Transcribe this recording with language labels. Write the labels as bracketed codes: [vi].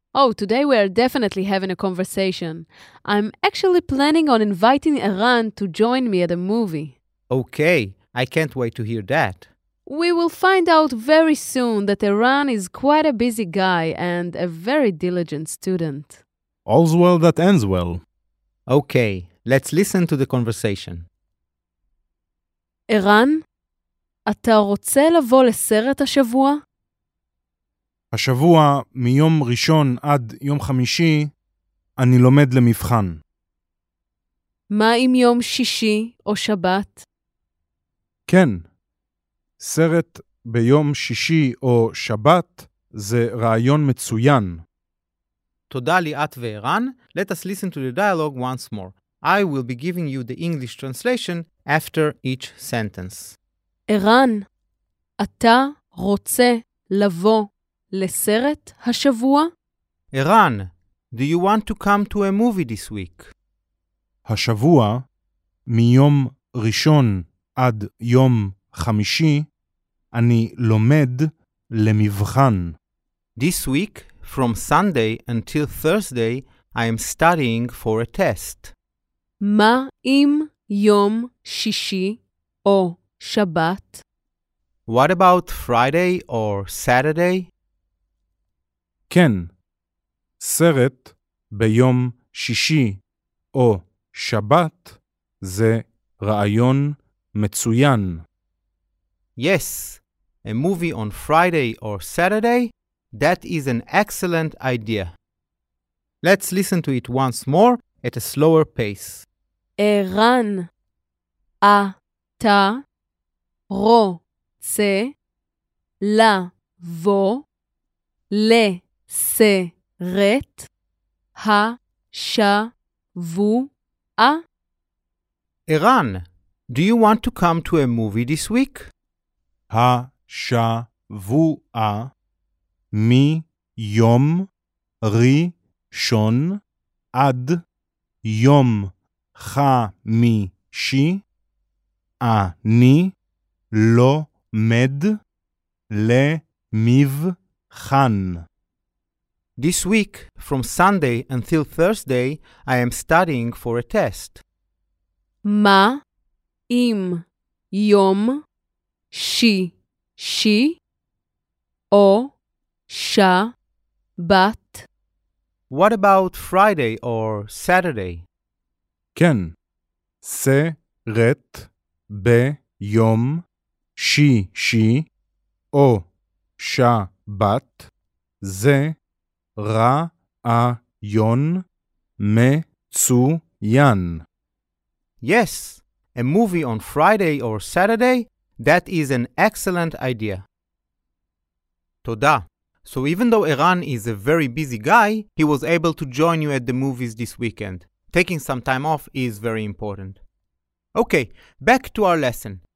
[en] Oh, today we are definitely having a conversation. I'm actually planning on inviting Eran to join me at a movie. Okay, I can't wait to hear that. We will find out very soon that Eran is quite a busy guy and a very diligent student. All's well that ends well. Okay, let's listen to the conversation. [he] אירן, אתה רוצה לבוא לסרט השבוע? השבוע, מיום ראשון עד יום חמישי, אני לומד למבחן. מה עם יום שישי או שבת? כן, סרט ביום שישי או שבת זה רעיון מצוין. תודה ליאת ואירן. [en] Let us listen to the dialogue once more. I will be giving you the English translation after each sentence. [he] Eran, ata rotze lavo leseret hashavua? [en] Eran, do you want to come to a movie this week? [he] Hashavua, miyom rishon ad yom chamishi, ani lomed lemivchan. [en] This week, from Sunday until Thursday, I am studying for a test. [he] מה עם יום שישי או שבת? [en] What about Friday or Saturday? [he] כן, סרט ביום שישי או שבת זה רעיון מצוין. [en] Yes, a movie on Friday or Saturday, that is an excellent idea. Let's listen to it once more at a slower pace. [he] אירן, אתה רוצה לבוא לסרט השבוע? [en] אירן, do you want to come to a movie this week? [he] השבוע מיום ראשון עד יום חמישי אני לומד למבחן. [en] This week, from Sunday until Thursday, I am studying for a test. [he] מה עם יום שישי או שבת? [en] What about Friday or Saturday? [he] כן, סרט ביום שישי או שבת זה רעיון מצוין. [en] Yes, a movie on Friday or Saturday, that is an excellent idea. [he] תודה. [en] So even though Eran is a very busy guy, he was able to join you at the movies this weekend. Taking some time off is very important. Okay, back to our lesson.